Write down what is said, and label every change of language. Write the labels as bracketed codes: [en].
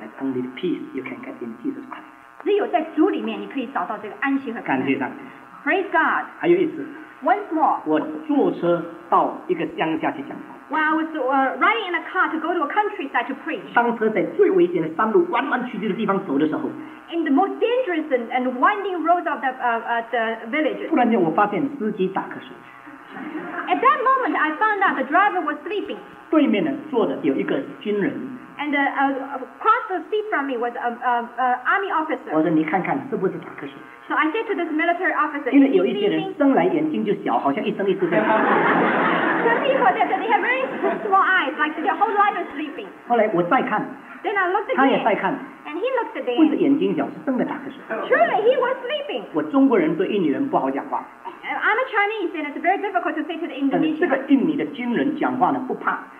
[en] That's only the peace you can get in Jesus Christ. [zh] 只有在主里面，你可以找到这个安息和平安。感谢上帝。 [en] Praise God. [zh] 还有一次。 [en] Once more, [zh] 我坐车到一个乡下去讲道。 [en] I was riding in a car to go to a countryside to preach. [zh] 当车在最危险的山路弯弯曲曲的地方走的时候， [en] in the most dangerous and winding roads of the villages, [zh] 突然间我发现司机打瞌睡。 [en] At that moment, I found out the driver was sleeping. [zh] 对面呢坐的有一个军人。 [en] And across the seat from me was an army officer. [zh] 我说你看看是不是打瞌睡。 [en] So I said to this military officer, [zh] 因为有一些人生来眼睛就小，好像一睁一睁在。 [en] Some people that they have very small eyes, like their whole life is sleeping. [zh] 后来我再看。 [en] Then I looked again. [zh] 他也在看。 [en] And he looked at the. [zh] 不是眼睛小，是真的打瞌睡。 [en] Truly, he was sleeping. [zh] 我中国人对印尼人不好讲话。 [en] I'm a Chinese, and it's very difficult to say to the Indonesian. [zh] 这个印尼的军人讲话呢，不怕。